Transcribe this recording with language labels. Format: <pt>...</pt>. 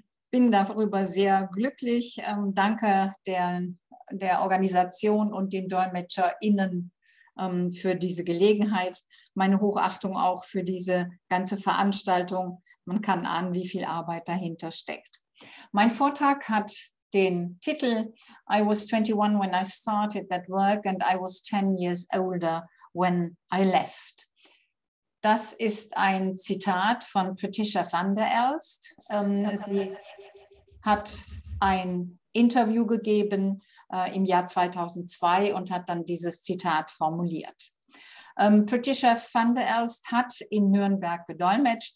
<de>Bin darüber sehr glücklich. Danke der Organisation und den DolmetscherInnen für diese Gelegenheit. Meine Hochachtung auch für diese ganze Veranstaltung. Man kann ahnen, wie viel Arbeit dahinter steckt. Mein Vortrag hat den Titel</de> <en>I was 21 when I started that work and I was 10 years older when I left.</en> <de>Das ist ein Zitat von Patricia van der Elst. Sie hat ein Interview gegeben im Jahr 2002 und hat dann dieses Zitat formuliert. Patricia van der Elst hat in Nürnberg gedolmetscht.</de>